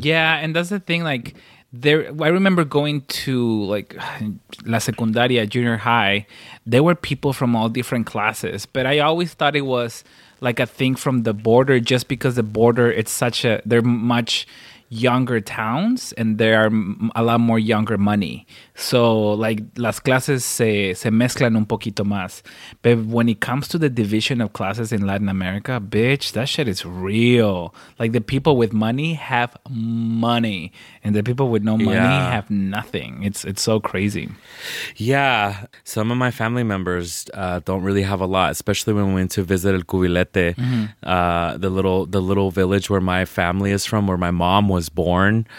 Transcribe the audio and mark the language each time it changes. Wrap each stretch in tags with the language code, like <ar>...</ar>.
<en>Yeah, and that's the thing, like, there, I remember going to like La Secundaria, junior high. There were people from all different classes, but I always thought it was like a thing from the border, just because the border, it's such a, they're much, younger towns, and there are a lot more younger money. So, like,</en> <es>las clases se mezclan un poquito más.</es> <en>But when it comes to the division of classes in Latin America, bitch, that shit is real. Like, the people with money have money, and the people with no money have nothing. It's so crazy. Yeah. Some of my family members don't really have a lot, especially when we went to visit El Cubilete, the little village where my family is from, where my mom was born.</en>